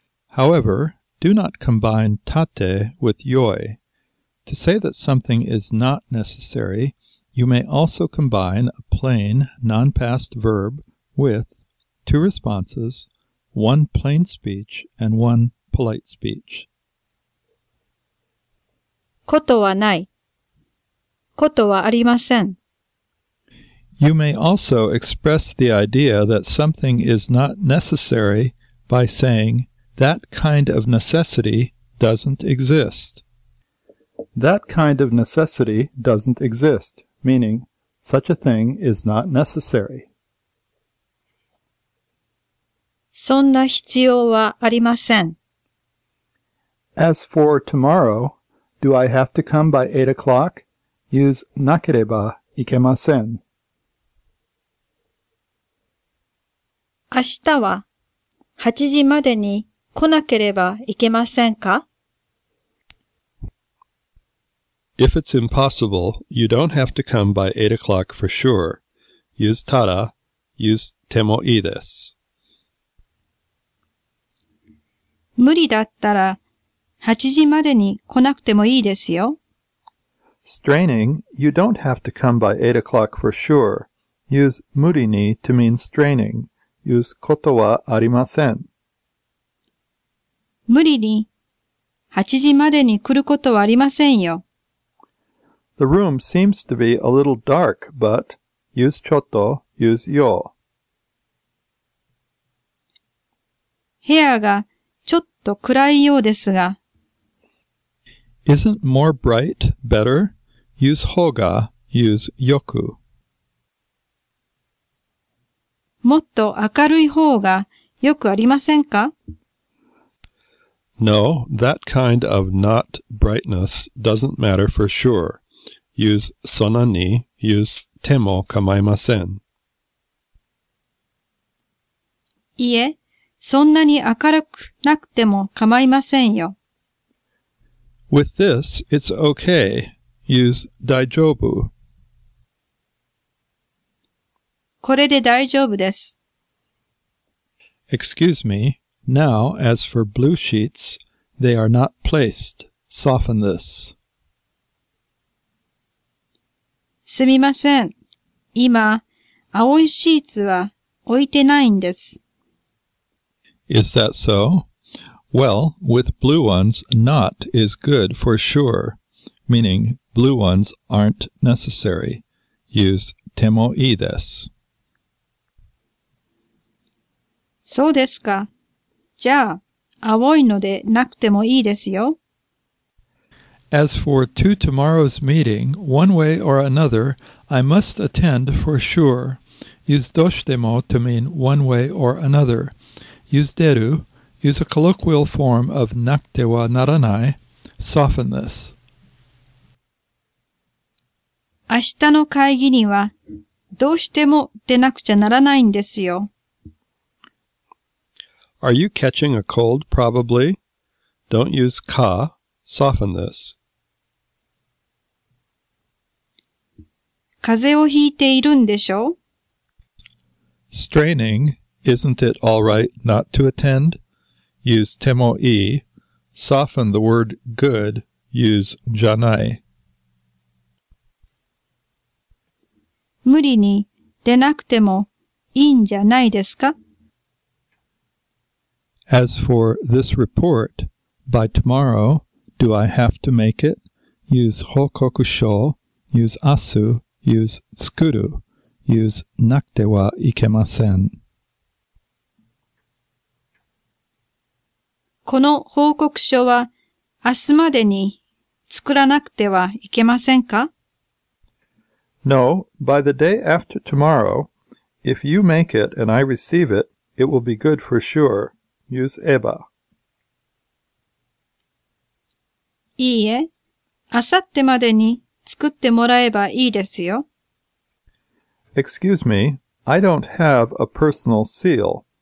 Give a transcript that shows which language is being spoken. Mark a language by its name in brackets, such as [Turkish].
[English] However, do not combine たって with よい. To say that something is not necessary,You may also combine a plain non-past verb with two responses, one plain speech and one polite speech. [Japanese] ことはない。ことはありません。 [English] You may also express the idea that something is not necessary by saying, that kind of necessity doesn't exist. That kind of necessity doesn't exist, meaning, such a thing is not necessary. [Japanese] そんな必要はありません。 [English] As for tomorrow, do I have to come by 8 o'clock? Use なければいけません。 [Japanese] 明日は8時までに来なければいけませんか? [English] If it's impossible, you don't have to come by 8 o'clock for sure. Use ただ, use てもいいです。 [Japanese] 無理だったら8時までに来なくてもいいですよ。 [English] Straining, you don't have to come by 8 o'clock for sure. Use 無理に to mean straining. Use ことはありません。 [Japanese] 無理に8時までに来ることはありませんよ。 [English] The room seems to be a little dark, but use ちょっと use よ。 [Japanese] 部屋がちょっと暗いようですが。 [English] Isn't more bright better? Use ほうが use よく。 [Japanese] もっと明るい方がよくありませんか? [English] No, that kind of not brightness doesn't matter for sure. Use そなに use てもかまいません。 [Japanese] いえ。そんなに明るくなくてもかまいませんよ。 [English] With this, it's okay. Use 大丈夫。 [Japanese] これで大丈夫です。 [English] Excuse me. Now, as for blue sheets, they are not placed. Soften this. [Japanese] すみません。今、青いシーツは置いてないんです。 [English] Is that so? Well, with blue ones, not is good for sure, meaning blue ones aren't necessary. Use てもいいです。 [Japanese] そうですか。じゃあ、青いのでなくてもいいですよ。 [English] As for to tomorrow's meeting, one way or another, I must attend for sure. Use どうしても to mean one way or another. Use 出る, use a colloquial form of なくてはならない, soften this. [Japanese] 明日の会議にはどうしても出なくちゃならないんですよ。 [English] Are you catching a cold probably? Don't use か, soften this. [Japanese] 風邪をひいているんでしょ? [English] Straining. Isn't it all right not to attend? Use てもいい.Soften the word good. Use じゃない. [Japanese] 無理に出なくてもいいんじゃないですか? [English] As for this report, by tomorrow, do I have to make it? Use 報告書.Use 明日.Use 作る. Use なくてはいけません. [Japanese] この報告書は明日までに作らなくてはいけませんか? [English] No, by the day after tomorrow, if you make it and I receive it, it will be good for sure. Use eba. [Japanese] いいえ、明後日までに作ってもらえばいいですよ。 [English] Excuse me, I don't have a personal seal.